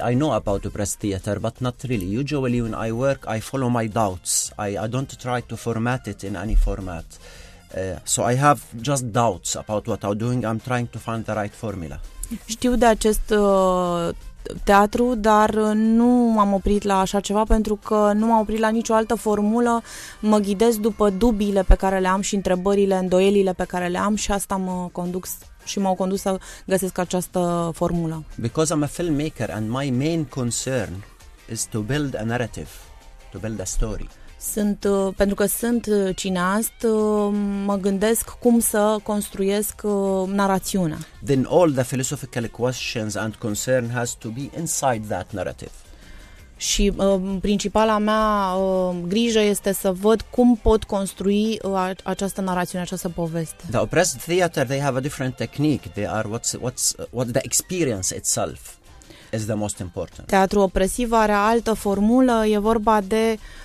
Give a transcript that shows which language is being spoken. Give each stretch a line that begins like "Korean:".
English: I know about oppressed theater, but not really. Usually when I work, I follow my doubts. I don't try to format it in any format. So I have just doubts about what I'm doing. I'm trying to find the right formula.
Romanian: Știu de acest teatru, dar nu m-am oprit la așa ceva pentru că nu m-am oprit la nicio altă formulă. Mă ghidez după dubiile pe care le am și întrebările, îndoielile pe care le am și asta mă conduc și m-au condus să găsesc această formulă.
English: Because I'm a filmmaker and my main concern is to build a narrative, to build a story.
Romanian: Sunt, pentru că sunt cineast, mă gândesc cum să construiesc narațiunea.
English: Then all the philosophical questions and concern has to be inside that narrative.
Romanian: Și principala mea grijă este să văd cum pot construi această narațiune, această poveste.
English: The oppressed theater, they have a different technique. They are what the experience itself is the most important.
Romanian: Teatru opresiv are altă formulă, e vorba de